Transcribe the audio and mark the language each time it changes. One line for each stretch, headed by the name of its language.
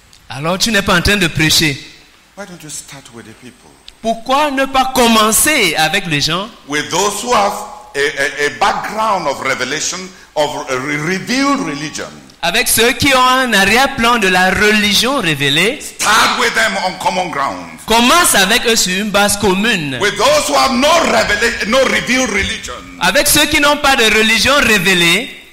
French: Alors tu n'es pas en train de prêcher.
English: Why don't you start with the people?
French: Pourquoi ne pas commencer avec les gens?
English: With those who have a background of revelation of a revealed religion.
French: Avec ceux qui ont un arrière-plan de la religion révélée.
English: Start with them on common ground.
French: Commence avec eux sur une base commune.
English: With those who have no revealed religion.
French: Avec ceux qui n'ont pas de religion révélée.